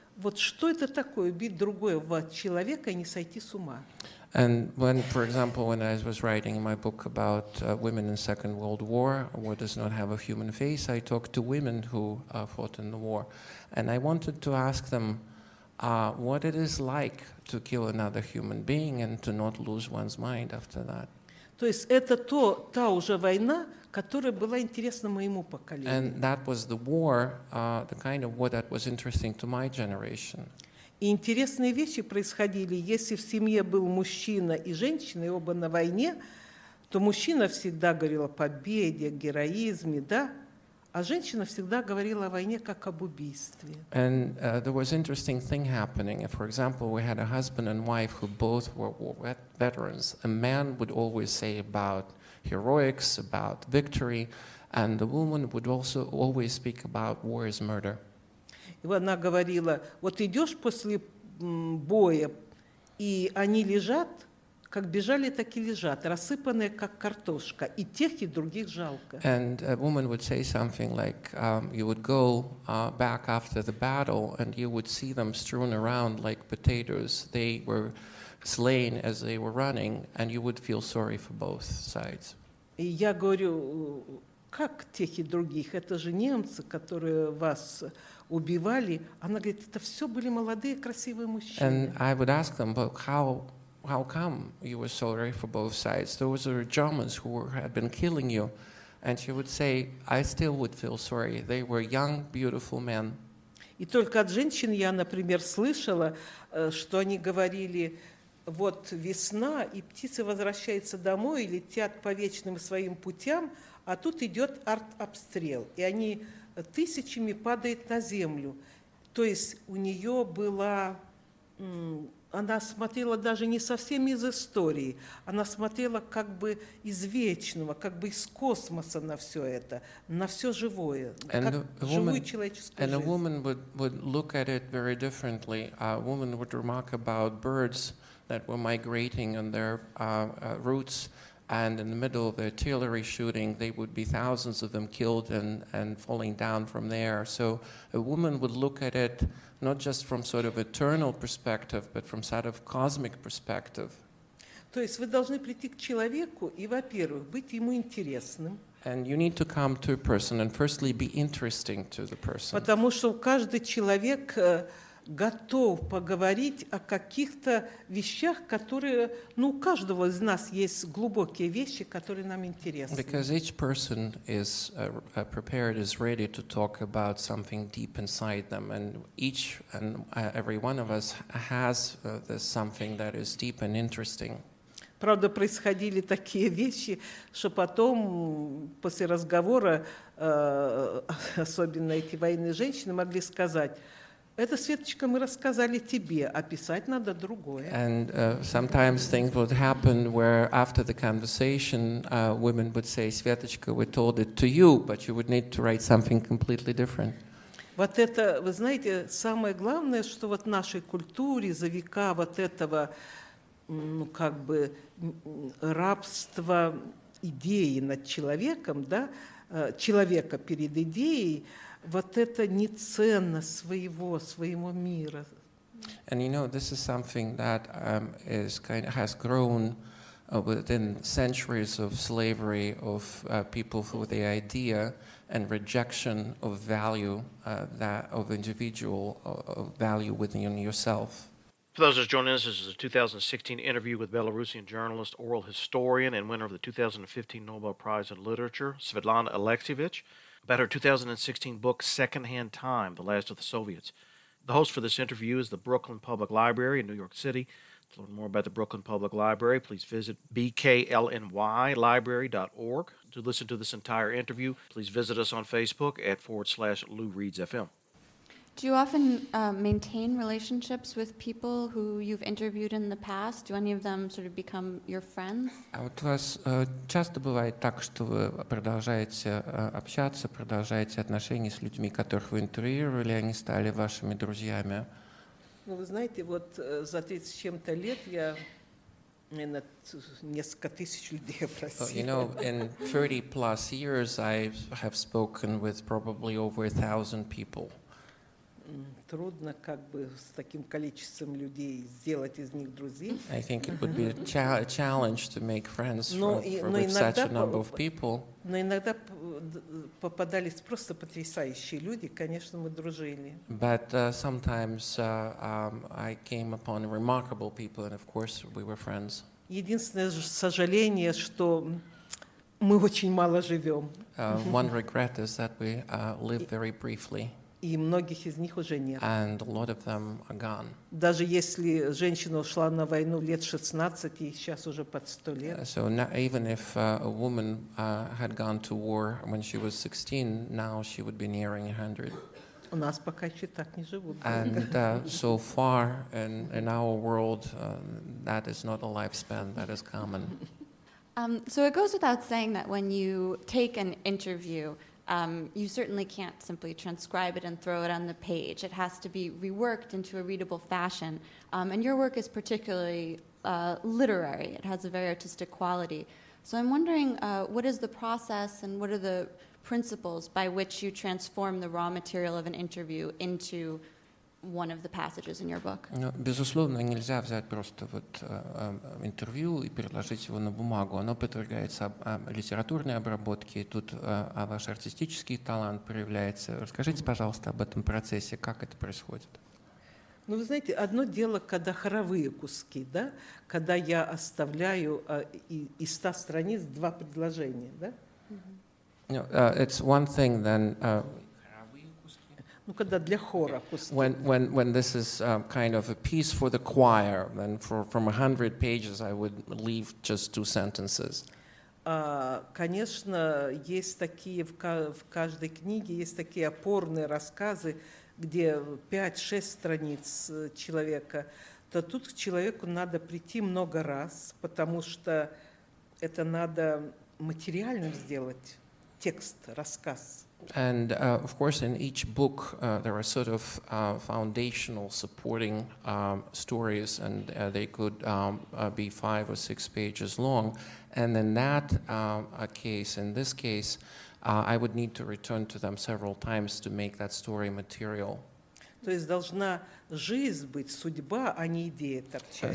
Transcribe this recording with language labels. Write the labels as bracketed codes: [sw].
[ru] Вот что это такое убить другого человека и не сойти с ума? [en] And when, for example, when I was writing my book about women in Second World War, War Does Not Have a Human Face, I talked to women who fought in the war. And I wanted to ask them what it is like to kill another human being and to not lose one's mind after that. [ru] То есть это то, та уже война, которая была интересна моему поколению. [en] And that was the war, the kind of war that was interesting to my generation. [ru] И интересные вещи происходили. Если в семье был мужчина и женщина, и оба на войне, то мужчина всегда говорил о победе, героизме, да? А женщина всегда говорила о войне как об убийстве. [en] And there was an interesting thing happening. For example, we had a husband and wife who both were war veterans. A man would always say about heroics, about victory, and the woman would also always speak about war as murder. [ru] И она говорила, вот идешь после боя, и они лежат, как бежали, так и лежат, рассыпанные, как картошка, и тех, и других жалко. [en] And a woman would say something like, you would go back after the battle, and you would see them strewn around like potatoes. They were slain as they were running, and you would feel sorry for both sides. [ru] И я говорю, как тех и других? Это же немцы, которые вас... убивали, она говорит, это все были молодые, красивые мужчины. [en] And I would ask them, but how come you were sorry for both sides? Those are Germans who had been killing you. And she would say, I still would feel sorry. They were young, beautiful men. [ru] И только от женщин я, например, слышала, что они говорили, вот весна, и птицы возвращаются домой, и летят по вечным своим путям, а тут идет артобстрел. И они... тысячами падает на землю. То есть у нее была... Она смотрела даже не совсем из истории, она смотрела как бы из вечного, как бы из космоса на все это, на все живое, [en] and [ru] как woman, живую человеческую жизнь. [en] And a woman would look at it very differently. A woman would remark about birds that were migrating on their routes, and in the middle of the artillery shooting, they would be thousands of them killed and falling down from there. So a woman would look at it not just from sort of eternal perspective, but from sort of cosmic perspective. [ru] То есть вы должны прийти к человеку и, во-первых, быть ему интересным. [en] And you need to come to a person and firstly be interesting to the person. [ru] Потому что каждый человек... готов поговорить о каких-то вещах, которые, ну, у каждого из нас есть глубокие вещи, которые нам интересны. [en] Because each person is prepared, is ready to talk about something deep inside them, and each and every one of us has this something that is deep and interesting. [ru] Правда, происходили такие вещи, что потом, после разговора, особенно эти военные женщины могли сказать, это, Светочка, мы рассказали тебе, а писать надо другое. [en] And sometimes things would happen where after the conversation women would say, Светочка, we told it to you, but you would need to write something completely different. [ru] Вот это, вы знаете, самое главное, что вот в нашей культуре за века вот этого, ну, как бы, рабства идеи над человеком, да, человека перед идеей, вот это не ценно своего, своего мира. [en] And you know, this is something that is kind of has grown within centuries of slavery of people for the idea and rejection of value that of individual of value within yourself. For those who are joining us, this is a 2016 interview with Belarusian journalist, oral historian, and winner of the 2015 Nobel Prize in Literature, Svetlana Alexievich, about her 2016 book, Secondhand Time, The Last of the Soviets. The host for this interview is the Brooklyn Public Library in New York City. To learn more about the Brooklyn Public Library, please visit bklnylibrary.org. To listen to this entire interview, please visit us on Facebook at @LouReadsFM. Do you often maintain relationships with people who you've interviewed in the past? Do any of them sort of become your friends? [ru] А вот у вас часто бывает так, что вы продолжаете общаться, продолжаете отношения с людьми, которых вы интервьюировали, они стали вашими друзьями? Ну, вы знаете, вот за 30 с чем-то лет я, наверное, несколько тысяч людей опросила. [en] You know, in 30 plus years I have spoken with probably over 1,000 people. [ru] трудно как бы с таким количеством людей сделать из них друзей. [en] I think it would be a challenge to make friends with such a number of people. [ru] Но иногда попадались просто потрясающие люди, конечно, мы дружили. [en] But sometimes I came upon remarkable people, and of course we were friends. [ru] Единственное сожаление, что мы очень мало живем. [en] One regret is that we live very briefly. [ru] И многих из них уже нет. [en] And a lot of them are gone. [ru] Даже если женщина ушла на войну лет 16, и сейчас уже под 100 лет. [en] So now, even if a woman had gone to war when she was 16, now she would be nearing 100. [ru] У нас пока еще так не живут. [en] And so far in our world, that is not a lifespan, that is common. So it goes without saying that when you take an interview, you certainly can't simply transcribe it and throw it on the page. It has to be reworked into a readable fashion. And your work is particularly literary. It has a very artistic quality. So I'm wondering, what is the process and what are the principles by which you transform the raw material of an interview into one of the passages in your book? [ru] Ну, безусловно, нельзя взять просто вот интервью и переложить его на бумагу. Оно подвергается литературной обработке, и тут ваш артистический талант проявляется. Расскажите, пожалуйста, об этом процессе, как это происходит? Ну, вы знаете, одно дело, когда хоровые куски, да, когда я оставляю из 100 страниц два предложения, да? [en] It's one thing then [ru] ну, когда для хора пусть. [en] When this is kind of a piece for the choir, then from 100 pages I would leave just two sentences. [ru] Конечно, есть такие в каждой книге есть такие опорные рассказы, где 5-6 страниц человека, то тут к человеку надо прийти много раз, потому что это надо материальным сделать текст, рассказ. [en] And of course, in each book, there are sort of foundational supporting stories, and they could be 5 or 6 pages long. And in that case, in this case, I would need to return to them several times to make that story material. [ru] То есть должна жизнь быть, судьба, а не идея торчать.